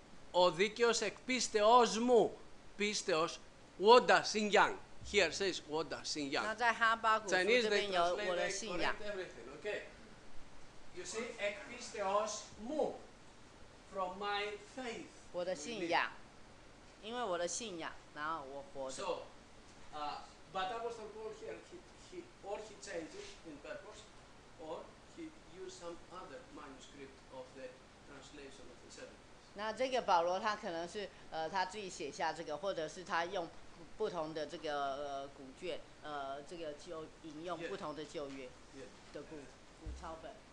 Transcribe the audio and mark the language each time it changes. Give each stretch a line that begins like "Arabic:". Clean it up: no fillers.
Greek: ο δίκαιος εκ πίστεως μου, πίστεως, ούτα συγγιάν.
English: Here says,
Greek: ούτα συγγιάν.
Chinese: 那在哈巴谷这边有我的信仰。
English: Okay. You see,
Greek: εκ πίστεως μου,
English: from my faith.
Chinese: 我的信仰，因为我的信仰，然后我活着。
English: So, but Apostle Paul here, or he changes in purpose, or he used some other manuscript of the translation of the Septuagint.
Chinese: 那这个保罗他可能是他自己写下这个，或者是他用不同的这个古卷这个就引用不同的旧约的古抄本。